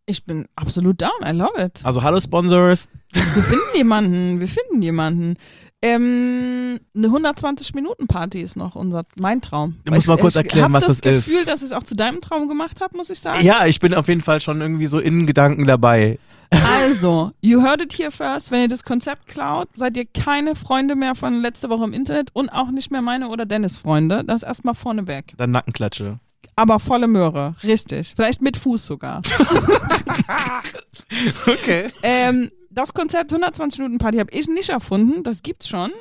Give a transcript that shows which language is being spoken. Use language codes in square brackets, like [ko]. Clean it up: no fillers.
[de] Ich bin absolut down, [en] I love it. [de] Also hallo Sponsors. Wir finden jemanden, wir finden jemanden. Eine 120-Minuten-Party ist noch mein Traum. Du musst mal kurz erklären, was das ist. Ich habe das Gefühl, dass ich es auch zu deinem Traum gemacht habe, muss ich sagen. Ja, ich bin auf jeden Fall schon irgendwie so in Gedanken dabei. [en] Also, you heard it here first. [de] Wenn ihr das Konzept klaut, seid ihr keine Freunde mehr von letzter Woche im Internet und auch nicht mehr meine oder Dennis Freunde. Das erstmal vorneweg. Dann Nackenklatsche. Aber volle Möhre, richtig. Vielleicht mit Fuß sogar. Okay. Das Konzept 120 Minuten Party habe ich nicht erfunden, das gibt's schon.